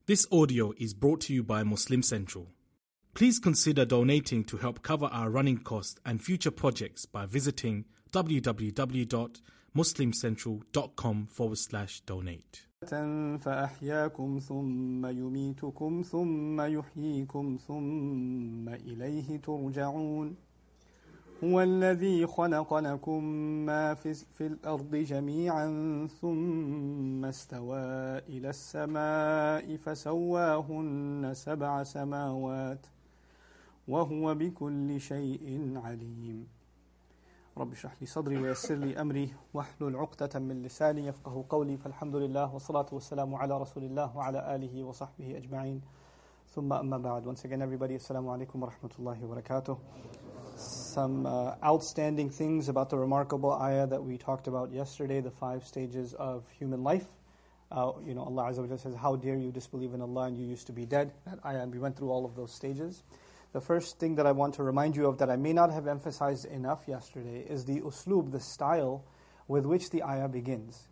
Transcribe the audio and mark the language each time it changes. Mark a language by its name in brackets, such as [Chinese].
[English] This audio is brought to you by Muslim Central. Please consider donating to help cover our running costs and future projects by visiting www.muslimcentral.com/donate. [Arabic] فأحياكم ثم يميتكم ثم يحييكم ثم إليه ترجعون هو الذي خلق لكم ما في الأرض جميعا ثم استوى إلى السماء فسواهن سبع سماوات وهو بكل شيء عليم رب اشرح لي صدري ويسر لي أمري واحلل عقدة من لساني يفقه قولي فالحمد لله والصلاة والسلام على رسول الله وعلى آله وصحبه أجمعين ثم أما بعد [English] Once again everybody, [Arabic] السلام عليكم ورحمة الله وبركاته. [English] Some outstanding things about the remarkable ayah that we talked about yesterday, the five stages of human life. You know, Allah Azza wa Jalla says, how dare you disbelieve in Allah and you used to be dead. That ayah, and we went through all of those stages. The first thing that I want to remind you of that I may not have emphasized enough yesterday is the usloob, the style with which the ayah begins.